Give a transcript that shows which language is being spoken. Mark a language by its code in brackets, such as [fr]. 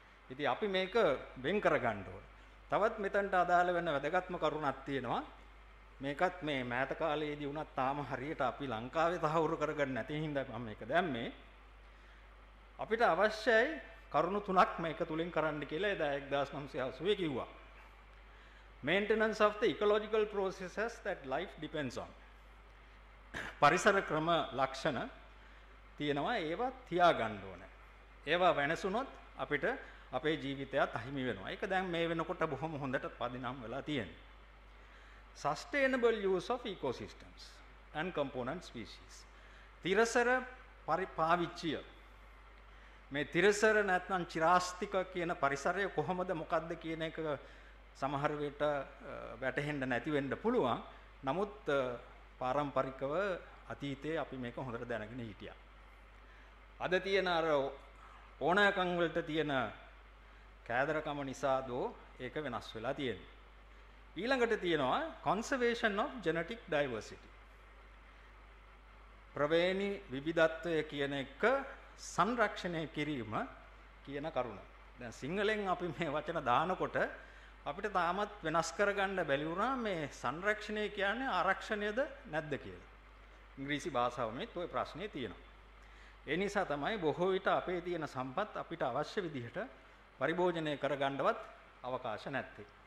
[si] ඉතින් අපි මේක වෙන් කරගන්න ඕන. තවත් මෙතනට අදාළ වෙන වැදගත්ම කරුණක් තියෙනවා. මේකත් මේ මෑත කාලයේදී වුණත් තාම හරියට අපි ලංකාවේ තහවුරු කරගන්න නැති හින්දා මම මේක දැම්මේ. අපිට අවශ්‍යයි කරුණු තුනක් මේක තුලින් කරන්න කියලා එදා 1980 කිව්වා. [en] Maintenance of the ecological processes that life depends on. [si] පරිසර ක්‍රම ලක්ෂණ තියෙනවා ඒවා තියාගන්න ඕනේ. ඒවා වෙනසුනොත් අපිට අපේ ජීවිතයත් අහිමි වෙනවා. ඒක දැන් මේ වෙනකොට බොහොම හොඳට පදිනම් වෙලා තියෙනවා. [en] Sustainable use of ecosystems and component species. [si] තිරසර පරිපාවිච්චිය මේ තිරසර නැත්නම් චිරාස්තික කියන පරිසරය කොහොමද මොකද්ද කියන එක සමහර වෙලට වැටහෙන්න නැති වෙන්න පුළුවන්. නමුත් පාරම්පරිකව අතීතයේ අපි මේක හොඳට දැනගෙන හිටියා. අද තියෙන අර ඕනෑකම් වලට තියෙන කෑදරකම නිසාද ඒක වෙනස් වෙලා තියෙන්නේ. ඊළඟට තියෙනවා [en] conservation of genetic diversity. [si] ප්‍රවේණි විවිධත්වය කියන එක සංරක්ෂණය කිරීම කියන කරුණ. දැන් සිංහලෙන් අපි මේ වචන දානකොට අපිට තාමත් වෙනස් කරගන්න බැරි වුණා මේ සංරක්ෂණය කියන්නේ ආරක්ෂණයද නැද්ද කියලා. ඉංග්‍රීසි භාෂාවෙත් ওই ප්‍රශ්නේ තියෙනවා. ඒ නිසා තමයි බොහෝ විට අපේ තියෙන සම්පත් අපිට අවශ්‍ය විදිහට පරිභෝජනය කරගන්නවත් අවකාශ නැත්තේ.